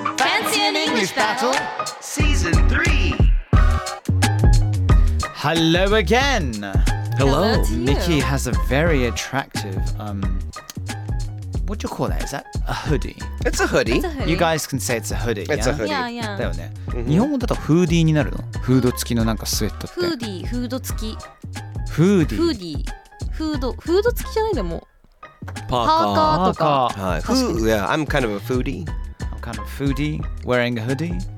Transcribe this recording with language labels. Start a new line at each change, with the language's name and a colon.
English: Fancy an English battle, season 3. Hello again. Hello. Nikki has a very attractive, what do you call that? Is that a hoodie? It's a hoodie. It's a hoodie. You guys can say it's a hoodie. It's a hoodie. Yeah, yeah.
Japanese: だよね。Mm-hmm. 日本語だとフーディーになるの？フード付きのなんかスウェットって。フーディー、フード付き。フーディー。フーディー。フード、フード付きじゃないでも。パーカー。パーカーとか。はい。
English: フー、yeah, I'm kind of a foodie. I'm kind of a foodie, wearing a hoodie.